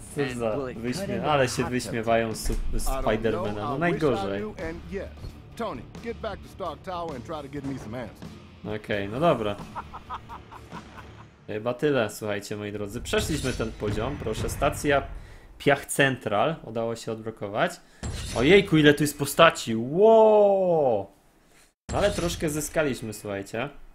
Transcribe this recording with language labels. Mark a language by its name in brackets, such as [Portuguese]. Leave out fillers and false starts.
[Polish] Co za wyśmiewa, ale się wyśmiewają Spidermana, no najgorzej. [English] Tony, get back to Stark Tower and try to get me some answers. [Polish] Okej, no dobra. Chyba tyle, słuchajcie moi drodzy. Przeszliśmy ten poziom, proszę. Stacja Piach Central udało się odblokować. Ojejku, ile tu jest postaci! Łooo! Ale troszkę zyskaliśmy, słuchajcie.